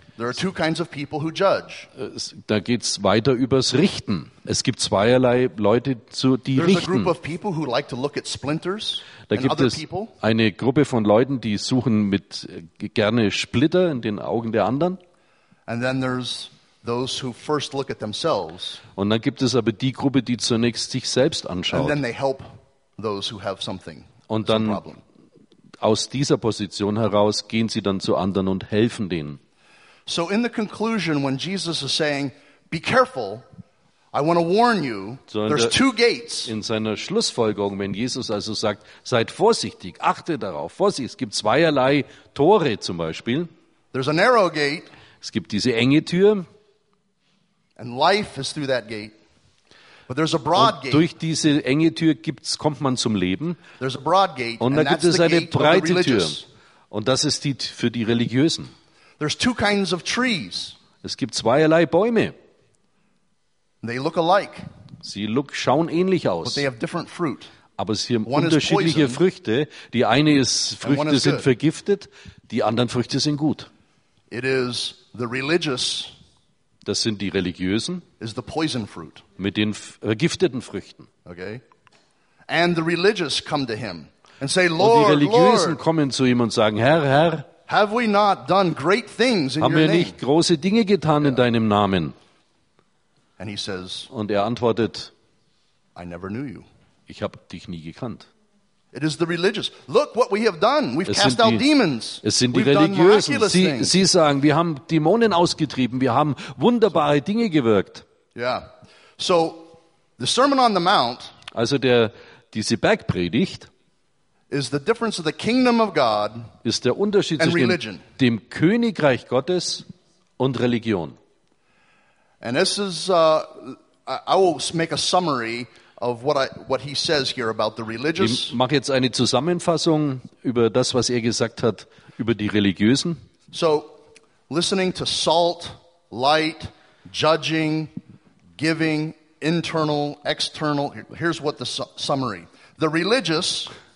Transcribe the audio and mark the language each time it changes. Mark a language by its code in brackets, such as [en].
[en] There are two kinds of people who judge. [de] Da geht's weiter übers Richten. Es gibt zweierlei Leute, die richten. [en] There's a group of people who like to look at splinters. [de] Da gibt es eine Gruppe von Leuten, die suchen mit gerne Splitter in den Augen der anderen. [en] And then there's those who first look at themselves. [de] Und dann gibt es aber die Gruppe, die zunächst sich selbst anschaut. [en] And then they help those who have something. [de] Und dann aus dieser Position heraus gehen sie dann zu anderen und helfen denen. [en] So in the conclusion, when Jesus is saying, "Be careful," I want to warn you. There's two gates. [de] In seiner Schlussfolgerung, wenn Jesus also sagt, seid vorsichtig, achte darauf, Vorsicht, es gibt zweierlei Tore zum Beispiel. [en] There's a narrow gate. [de] Es gibt diese enge Tür. [en] And life is through that gate. But there's a broad gate. [de] Und durch diese enge Tür kommt man zum Leben. [en] There's a broad gate. [de] Und da gibt es eine breite Tür. Und das ist die für die Religiösen. [en] There's two kinds of trees. [de] Es gibt zweierlei Bäume. [en] They look alike. [de] Schauen ähnlich aus. [en] But they have different fruit. [de] Aber sie haben unterschiedliche Früchte. Die eine ist Früchte sind vergiftet, die anderen Früchte sind gut. [en] It is the religious. [de] Das sind die Religiösen. [en] Is the poison fruit. [de] Mit den vergifteten Früchten. [en] Okay. And the religious come to him and say, Lord, [de] Und die Religiösen kommen zu ihm und sagen, Herr, Herr. [en] Have we not done great things in [de] Haben [en] your [de] wir nicht [en] name? [de] Große Dinge getan yeah. in deinem Namen? [en] And he says, [de] und er antwortet, [en] I never knew you. [de] Ich habe dich nie gekannt. [en] It is the religious. Look what we have done. We've cast out demons. [de] Es sind die Religiösen. Sie sagen, wir haben Dämonen ausgetrieben. Wir haben wunderbare Dinge gewirkt. [en] Yeah. So the Sermon on the Mount. [de] Also der diese Bergpredigt. [en] Is the difference of the kingdom of God. [de] Ist der Unterschied zwischen dem Königreich Gottes und Religion. [en] And this is I will make a summary. Of what he says here about the religious. [de] Ich mache jetzt eine Zusammenfassung über das, was er gesagt hat über die Religiösen. [en] So, listening to salt, light, judging, giving, internal, external. Here's what the summary: the religious,